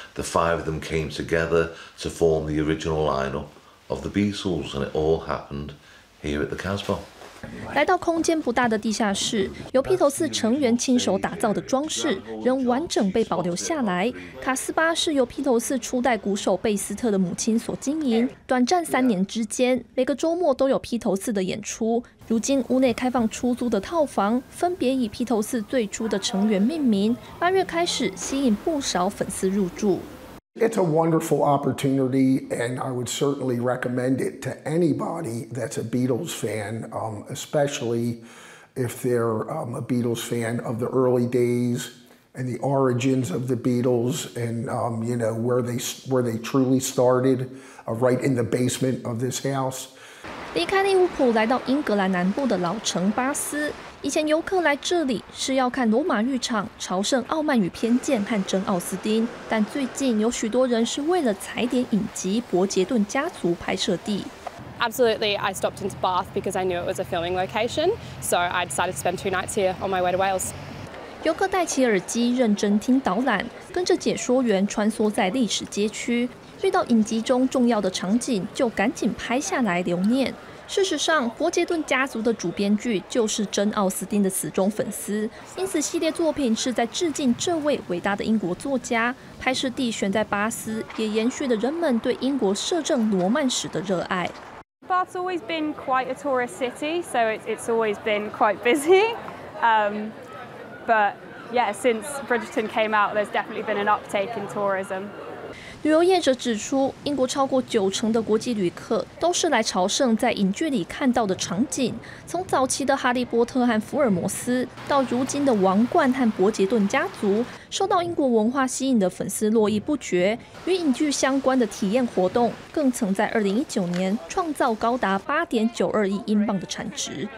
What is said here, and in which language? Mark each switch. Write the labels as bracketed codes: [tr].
[en] The five of them came together to form the original lineup of the Beatles, and it all happened here at the Casbah. [zh] 来到空间不大的地下室，由披头士成员亲手打造的装饰仍完整被保留下来。卡斯巴是由披头士初代鼓手贝斯特的母亲所经营，短暂3年之间，每个周末都有披头士的演出。如今屋内开放出租的套房，分别以披头士最初的成员命名。 8月开始，吸引不少粉丝入住。 [en] It's a wonderful opportunity, and I would certainly recommend it to anybody that's a Beatles fan, especially if they're a Beatles fan of the early days and the origins of the Beatles, and you know where they truly started, right in the basement of this house. [zh] 离开利物浦，来到英格兰南部的老城巴斯。以前游客来这里是要看罗马浴场、朝圣《傲慢与偏见》和真奥斯丁，但最近有许多人是为了踩点影集《伯杰顿家族》拍摄地。 [en] Absolutely, I stopped into Bath because I knew it was a filming location, so I decided to spend 2 nights here on my way to Wales. [zh] 游客戴起耳机，认真听导览，跟着解说员穿梭在历史街区，遇到影集中重要的场景就赶紧拍下来留念。事实上，伯杰顿家族的主编剧就是珍·奥斯汀的死忠粉丝，因此系列作品是在致敬这位伟大的英国作家。拍摄地选在巴斯，也延续了人们对英国摄政罗曼史的热爱。 [en] Bath's always been quite a tourist city, so it's always been quite busy. But yeah, since Bridgerton came out, there's definitely been an uptake in tourism. [zh] 旅游业者指出，英国超过九成的国际旅客都是来朝圣在影剧里看到的场景，从早期的哈利波特和福尔摩斯到如今的王冠和伯杰顿家族，受到英国文化吸引的粉丝络绎不绝，与影剧相关的体验活动更曾在2019年创造高达 8.92 亿英镑的产值。